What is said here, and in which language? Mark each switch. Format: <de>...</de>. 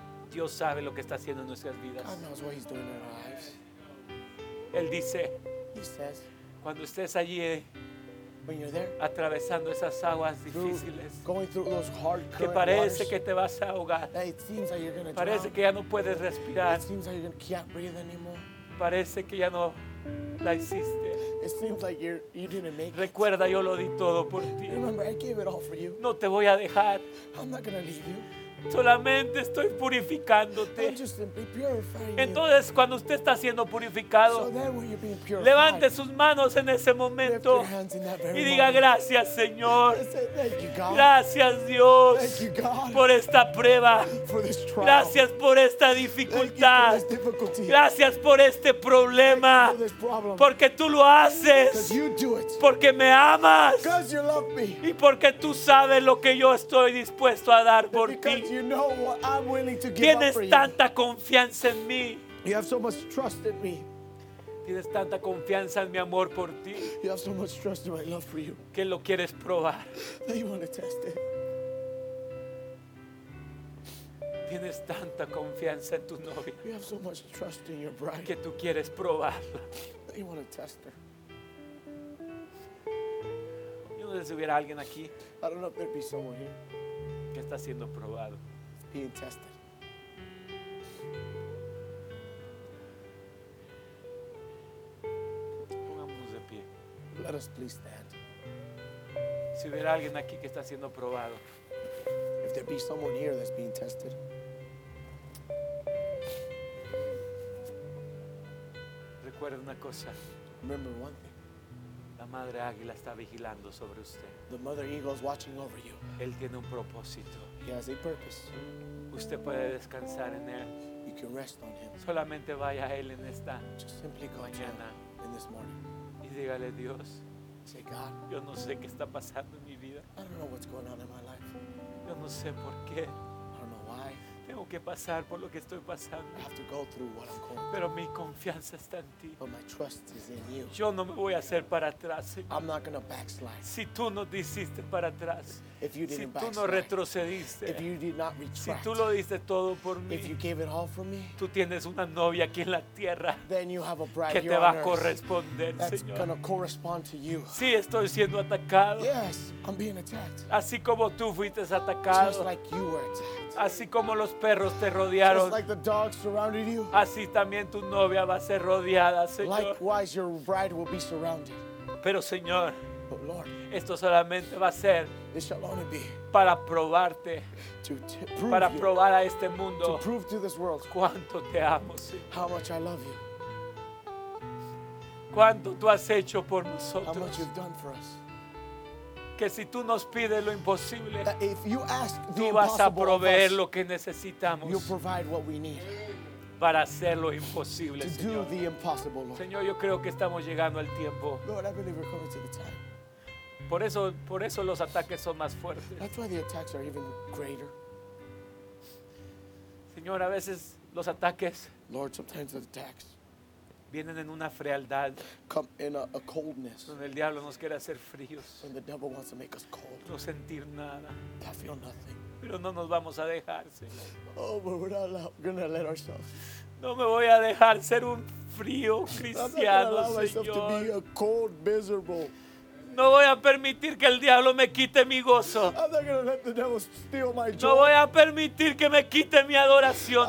<es>Dios sabe lo que está haciendo en nuestras vidas.</es> <en>God knows what he's doing in our lives.</en> <es>Él dice,</es> <en>he says,</en> <es>cuando estés allí,</es> <en>when you're there,</en> <es>atravesando esas aguas difíciles,</es> <en>going through those hard current</en> <es>que parece</es> <en>waters,</en> <es>que te vas a ahogar,</es> <en>that it seems that you're gonna</en> <es>parece</es> <en>drown,</en> <es>que ya no puedes respirar,</es> <en>it seems that you can't breathe anymore,</en> <es>parece que ya no la hiciste.</es> <en>It seems like you didn't make</en> <es>recuerda,</es> <en>it.</en> <es>Yo lo di todo por ti.</es> <en>Remember, I gave it all for you.</en> <es>No te voy a dejar.</es> <en>I'm not gonna leave you.</en> <es>Solamente estoy purificándote. Entonces,</es> <en>you.</en> <es>Cuando usted está siendo purificado,</es> <en>so purified,</en> <es>levante sus manos en ese momento y diga gracias, Señor. Gracias, Dios, por esta prueba. Gracias por esta dificultad. Gracias por este problema.</es> <en>Problem.</en> <es>Porque tú lo haces. Porque me amas. Y porque tú sabes lo que yo estoy dispuesto a dar por ti.</es> <en>You know what I'm willing to give.</en> <es>Tienes</es> <en>up for</en> <es>tanta</es> <en>you.</en> <es>Confianza en mí.</es> <en>You have so much trust in me.</en> <es>Tienes tanta confianza en mi amor por ti.</es> <en>You have so much trust in my love for you.</en> <es>Que lo quieres probar.</es> <en>That you want to test it.</en> <es>Tienes tanta confianza en tu novia.</es> <en>You have so much trust in your bride.</en> <es>Que tú quieres probarla.</es> <en>That you want to test her.</en> <es>Yo no sé si hubiera alguien aquí.</es> <en>I don't know if there'd be someone here.</en> <es>Que está siendo probado.</es> <en>Being tested.</en> <es>Pongámonos de pie.</es> <en>Let us please stand.</en> <es>Si hubiera alguien aquí que está siendo probado.</es> <en>If there be someone here that's being tested.</en> <es>Recuerda una cosa.</es> <en>Remember one thing.</en> <es>La madre águila está vigilando sobre usted.</es> <en>The mother eagle is watching over you.</en> <es>Él tiene un propósito.</es> <en>He has a purpose.</en> <es>Usted puede descansar en él.</es> <en>You can rest on him.</en> <es>Solamente vaya a él en esta</es> <en>just simply go</en> <es>mañana</es> <en>to him in this morning.</en> <es>Y dígale Dios.</es> <en>Say God.</en> <es>Yo no sé qué está pasando en mi vida.</es> <en>I don't know what's going on in my life.</en> <es>Yo no sé por qué.</es> <en>I don't know why.</en> <es>Tengo que pasar por lo que estoy pasando.</es> <en>I have to go through what I'm going.</en> <es>Pero mi confianza está en ti.</es> <en>But my trust is in you.</en> <es>Yo no me voy a hacer para atrás.</es> <en>I'm not going to backslide.</en> <es>Si tú no hiciste para atrás.</es> <en>If you didn't</en> <es>si</es> <en>backslide.</en> <es>Si tú no retrocediste.</es> <en>If you did not retract.</en> <es>Si tú lo diste todo por mí.</es> <en>If you gave it all for me.</en> <es>Tú tienes una novia aquí en la tierra.</es> <en>Then you have a bride</en> <es>que te va a corresponder,</es> <en>that's</en> <es>Señor.</es> <en>That's going to correspond to you.</en> <es>Sí, estoy siendo atacado.</es> <en>Yes, I'm being attacked.</en> <es>Así como tú fuiste atacado.</es> <en>Just like you were attacked.</en> <es>Así como los perros te rodearon,</es> <en>just like the dogs surrounded you,</en> <es>así también tu novia va a ser rodeada, Señor.</es> <en>Likewise, your bride will be surrounded.</en> <es>Pero Señor,</es> <en>but Lord,</en> <es>esto solamente va a ser</es> <en>it shall only be</en> <es>para probarte,</es> <en>to prove</en> <es>para</es> <en>you,</en> <es>probar a este mundo,</es> <en>to prove to this world,</en> <es>cuánto te amo, Señor.</es> <en>How much I love you.</en> <es>Cuánto tú has hecho por nosotros.</es> <en>How much you've done for us.</en> <es>Que si tú nos pides lo imposible,</es> <en>if you ask the</en> <es>tú vas</es> <en>impossible</en> <es>a proveer</es> <en>us,</en> <es>lo que necesitamos,</es> <en>you'll provide what we need</en> <es>para hacer lo imposible,</es> <en>to</en> <es>Señor.</es> <en>Do the impossible, Lord.</en> <es>Señor, yo creo que estamos llegando al tiempo.</es> <en>Lord, I believe we're coming to the time.</en> <es>Por eso los ataques son más fuertes.</es> <en>That's why the attacks are even greater.</en> <es>Señor, a veces los ataques,</es> <en>Lord, sometimes the attacks</en> <es>vienen en una frialdad,</es> <en>come in a coldness,</en> <es>donde el diablo nos quiere hacer fríos,</es> <en>when the devil wants to make us cold,</en> <es>no sentir nada,</es> <en>to feel nothing,</en> <es>pero no nos vamos a dejar, Señor.</es> <en>Oh, but we're not going to let ourselves.</en> <es>No me voy a dejar ser un frío cristiano,</es> <en>I'm not going to allow myself to be a cold, miserable.</en> <es>No voy a permitir que el diablo me quite mi gozo.</es> <en>I'm not gonna let the devil steal my joy.</en> <es>No voy a permitir que me quite mi adoración</es>